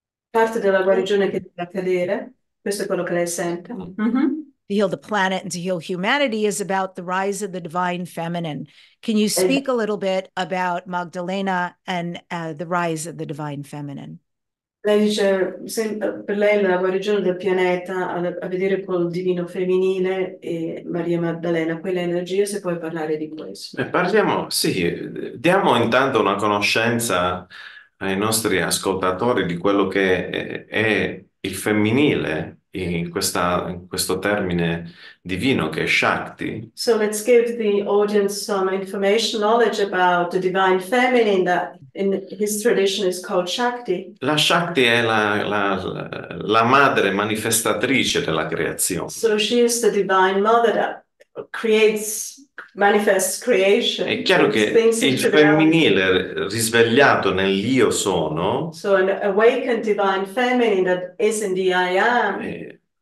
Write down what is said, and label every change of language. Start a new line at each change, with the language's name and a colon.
Italian: Parte della guarigione che deve accadere. Questo è quello che lei sente. Mm-hmm.
English: To heal the planet and to heal humanity is about the rise of the divine feminine. Can you speak a little bit about Magdalena and the rise of the divine feminine?
Italian: Lei dice, per lei la guarigione del pianeta a vedere col divino femminile e Maria Maddalena, quelle energie, se puoi parlare di questo. Parliamo, sì, diamo intanto una conoscenza ai nostri ascoltatori di quello che è il femminile in questo termine divino che è Shakti.
English: So let's give the audience some information, knowledge about the divine feminine that in his tradition is called Shakti.
Italian: La Shakti è la madre manifestatrice della creazione.
English: So she is the divine mother that creates, manifests creation.
Italian: È chiaro che il femminile risvegliato nell'io sono.
English: So an awakened divine feminine that is in the I am.